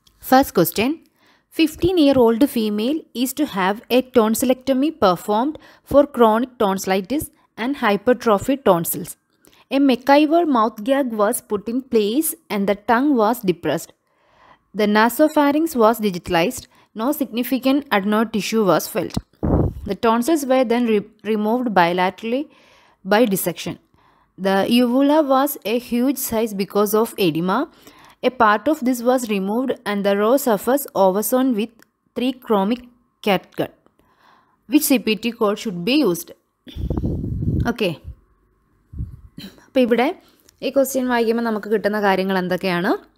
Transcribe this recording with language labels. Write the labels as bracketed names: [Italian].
[English] First question, 15-year-old female is to have a tonsillectomy performed for chronic tonsillitis and hypertrophy tonsils. A McIvor mouth gag was put in place and the tongue was depressed. The nasopharynx was digitalised. No significant adeno tissue was felt. The tonsils were then removed bilaterally by dissection. The uvula was a huge size because of edema. A part of this was removed and the raw surface oversown with 3 chromic catgut. Which CPT cord should be used? Okay. [Malayalam] അപ്പോൾ ഇവിടെ ഈ question വായിക്കുമ്പോൾ നമുക്ക് കിട്ടുന്ന കാര്യങ്ങൾ എന്തൊക്കെയാണ്?